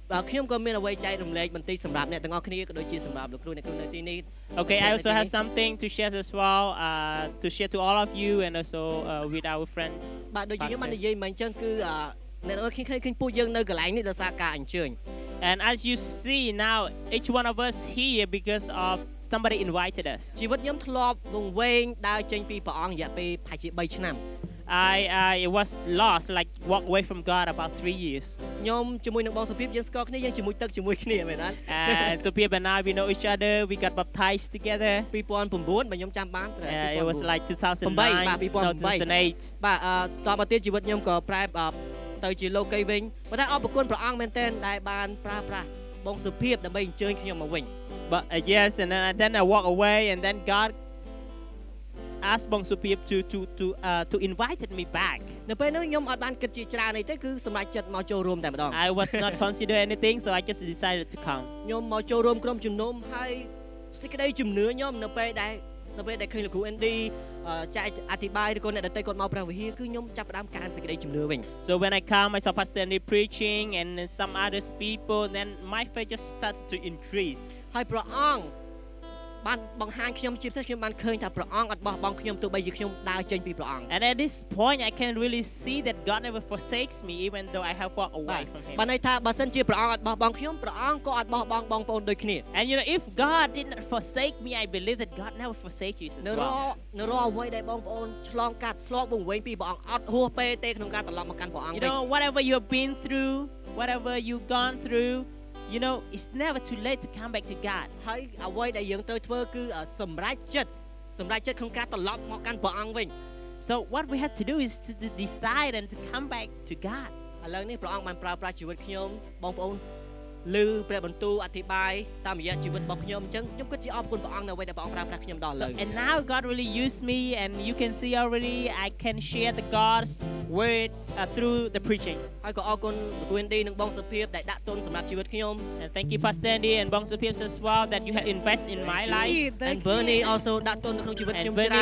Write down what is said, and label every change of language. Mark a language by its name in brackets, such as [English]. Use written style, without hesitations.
[Khmer] ខ្ញុំក៏មានអ្វីចែករំលែកបន្តិចសម្រាប់អ្នកទាំងអស់គ្នាក៏ដូចជាសម្រាប់លោកគ្រូអ្នកគ្រូនៅទីនេះ [English] Okay, I also have something to share as well to share to all of you and also with our friends. [Khmer] បាទដូចជាខ្ញុំបាននិយាយមិនអញ្ចឹងគឺអ្នកទាំងអស់គ្នាឃើញពួកយើងនៅកន្លែងនេះដោយសារការអញ្ជើញ [English] And as you see now each one of us here because of somebody invited us. [Khmer] ជីវិតខ្ញុំធ្លាប់វង្វេងដើរចេញពីព្រះអង្គរយៈពេលប្រហែលជា3ឆ្នាំ [English] I was lost like walk away from God about 3 years. [Khmer] ញោមជាមួយនឹងបងសុភាពយើងស្គាល់គ្នាយើងជាមួយទឹកជាមួយគ្នាមែនទេ? [English] And so people and I we know each other we got baptized together. [Khmer] 2009បងខ្ញុំចាំបាន [English] ត្រឹម 2008. It was like 2008. [Khmer] បាទតមកទៀតជីវិតខ្ញុំក៏ប្រែទៅជាលោកីវិញប៉ុន្តែអរគុណព្រះអង្គមែនទែនដែលបានប្រើប្រាស់បងសុភាពដើម្បីអញ្ជើញខ្ញុំមកវិញ. [English] But yes and then I walk away and then God asked Bong Supiep to invited me back [Khmer] នៅពេលនោះខ្ញុំអត់បានគិតជាច្រើនអីទេគឺសម្រេចចិត្តមកចូលរួមតែម្ដង [English] I was not consider anything so I just decided to come [Khmer] ខ្ញុំមកចូលរួមក្រុមជំនុំហើយសេចក្តីជំនឿខ្ញុំនៅពេលដែលឃើញលោកគ្រូ ND ចែកអធិប្បាយឬក៏អ្នកដទៃគាត់មកប្រាវវិហារគឺខ្ញុំចាប់ផ្ដើមការសេចក្តីជំនឿវិញ [English] So when I come I saw Pastor ND preaching and some other people then my faith just started to increase [Khmer] ហើយប្រអងបានបង្ហាញខ្ញុំជាពិសេសខ្ញុំបានឃើញថាព្រះអង្គអត់បោះបង់ខ្ញុំទោះបីជាខ្ញុំដើរចេញពីព្រះអង្គ [English] And at this point I can really see that God never forsakes me even though I have walked away from him [Khmer] បានន័យថាបើសិនជាព្រះអង្គអត់បោះបង់ខ្ញុំព្រះអង្គក៏អត់បោះបង់បងប្អូនដូចគ្នា [English] And you know if God did not forsake me I believe that God never forsakes you as well [Khmer] នៅរាល់អ្វីដែលបងប្អូនឆ្លងកាត់ធ្លាប់វង្វេងពីព្រះអង្គអត់ហួសពេលទេក្នុងការត្រឡប់មកកាន់ព្រះអង្គ [English] វិញ You know whatever you have been through whatever you gone throughYou know it's never too late to come back to God. [Khmer] ហើយអ្វីដែលយើងត្រូវធ្វើគឺសម្រេចចិត្តក្នុងការត្រឡប់មកកាន់ព្រះអង្គវិញ. [English] So what we have to do is to decide and to come back to God. [Khmer] ឥឡូវនេះព្រះអង្គបានប្រើប្រាស់ជីវិតខ្ញុំបងប្អូនឬព្រះបន្ទូលអធិប្បាយតាមរយៈជីវិតរបស់ខ្ញុំអញ្ចឹងខ្ញុំគិតជាអរគុណព្រះអង្គនៅពេលដែលព្រះអង្គប្រើប្រាស់ខ្ញុំដល់ឥឡូវ. [English] And now God really used me and you can see already I can share the God's word through the preaching. [Khmer] ហើយក៏អរគុណលោក Wendy និងបងសុភាពដែលដាក់ទុនសម្រាប់ជីវិតខ្ញុំ. [English] And thank you Pastor Andy and Bong Suphiep as well that you had invest in my life. And Bernie also [Khmer] ដាក់ទុននៅក្នុងជីវិតខ្ញុំច្រើន.